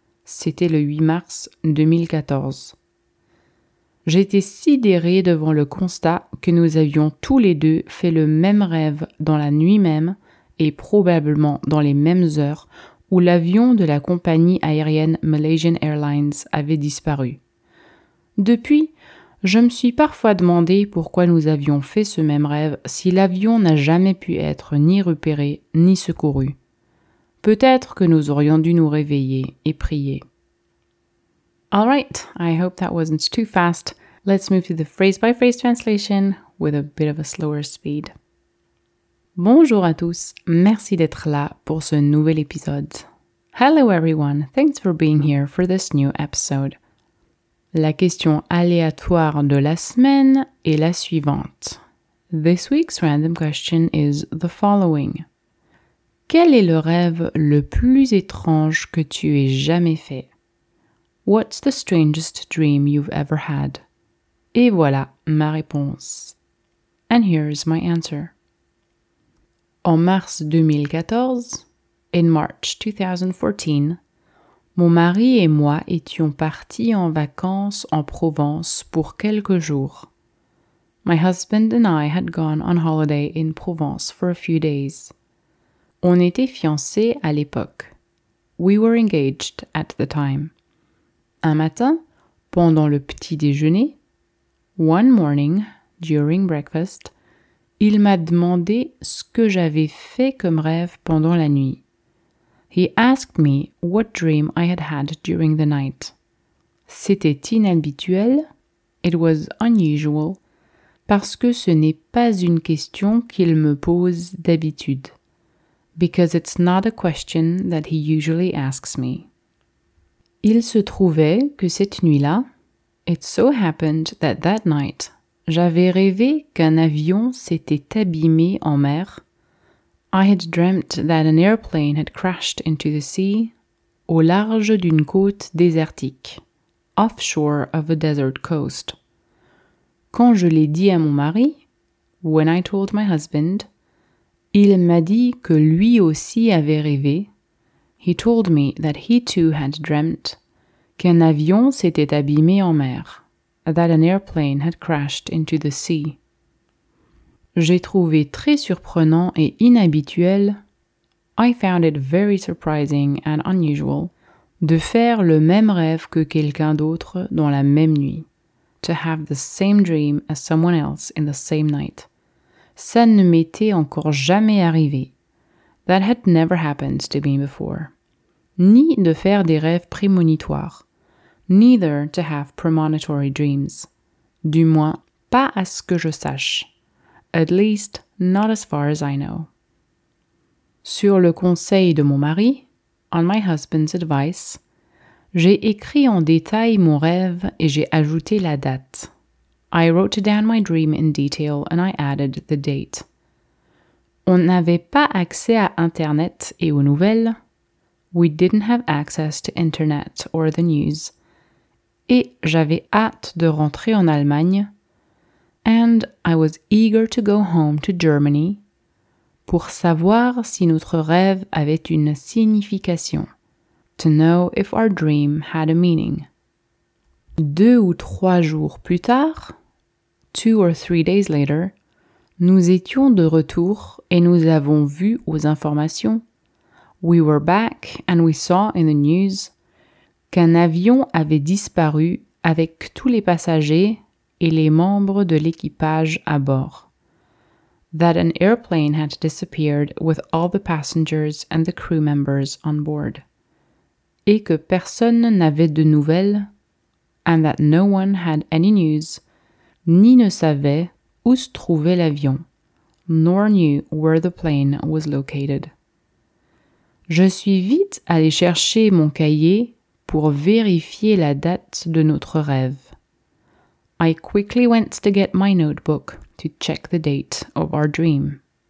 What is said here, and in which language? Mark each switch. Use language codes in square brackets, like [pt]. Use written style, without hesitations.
[fr] C'était le 8 mars 2014. J'étais sidérée devant le constat que nous avions tous les deux fait le même rêve dans la nuit même et probablement dans les mêmes heures où l'avion de la compagnie aérienne Malaysian Airlines avait disparu. Depuis, je me suis parfois demandé pourquoi nous avions fait ce même rêve si l'avion n'a jamais pu être ni repéré ni secouru. Peut-être que nous aurions dû nous réveiller et prier. [en] All right, I hope that wasn't too fast. Let's move to the phrase-by-phrase translation with a bit of a slower speed. [fr] Bonjour à tous, merci d'être là pour ce nouvel épisode. [en] Hello everyone, thanks for being here for this new episode. [fr] La question aléatoire de la semaine est la suivante. [en] This week's random question is the following. [fr] Quel est le rêve le plus étrange que tu aies jamais fait? [en] What's the strangest dream you've ever had? [fr] Et voilà ma réponse. [en] And here is my answer. [fr] En mars 2014, [en] in March 2014, [fr] mon mari et moi étions partis en vacances en Provence pour quelques jours. [en] My husband and I had gone on holiday in Provence for a few days. [fr] On était fiancés à l'époque. [en] We were engaged at the time. [fr] Un matin, pendant le petit déjeuner, [en] one morning, during breakfast, [fr] il m'a demandé ce que j'avais fait comme rêve pendant la nuit. [en] He asked me what dream I had had during the night. [fr] C'était inhabituel, [en] it was unusual, [fr] parce que ce n'est pas une question qu'il me pose d'habitude. [en] Because it's not a question that he usually asks me. [fr] Il se trouvait que cette nuit-là, [en] it so happened that that night, [fr] j'avais rêvé qu'un avion s'était abîmé en mer. [en] I had dreamt that an airplane had crashed into the sea, [fr] au large d'une côte désertique, [en] offshore of a desert coast. [fr] Quand je l'ai dit à mon mari, [en] when I told my husband, [fr] il m'a dit que lui aussi avait rêvé. [en] He told me that he too had dreamt [fr] qu'un avion s'était abîmé en mer, [en] that an airplane had crashed into the sea. [fr] J'ai trouvé très surprenant et inhabituel, [en] I found it very surprising and unusual, [fr] de faire le même rêve que quelqu'un d'autre dans la même nuit, [en] to have the same dream as someone else in the same night. [fr] Ça ne m'était encore jamais arrivé. [en] That had never happened to me before. [fr] Ni de faire des rêves prémonitoires. [en] Neither to have premonitory dreams. [fr] Du moins, pas à ce que je sache. [en] At least, not as far as I know. [fr] Sur le conseil de mon mari, [en] on my husband's advice, [fr] j'ai écrit en détail mon rêve et j'ai ajouté la date. [en] I wrote down my dream in detail and I added the date. [fr] On n'avait pas accès à Internet et aux nouvelles. [en] We didn't have access to Internet or the news. [fr] Et j'avais hâte de rentrer en Allemagne. [en] And I was eager to go home to Germany [fr] pour savoir si notre rêve avait une signification. [en] To know if our dream had a meaning. [fr] Deux ou trois jours plus tard, [en] 2 or 3 days later, [fr] nous étions de retour et nous avons vu aux informations. [en] We were back and we saw in the news [fr] qu'un avion avait disparu avec tous les passagers et les membres de l'équipage à bord. [en] That an airplane had disappeared with all the passengers and the crew members on board. [fr] Et que personne n'avait de nouvelles, [en] and that no one had any news, [fr] ni ne savait où se trouvait l'avion, [en] nor knew where the plane was located. [fr] Je suis vite allé chercher mon cahier pour vérifier la date de notre rêve. [en] I quickly went to get my notebook to check the date of our dream.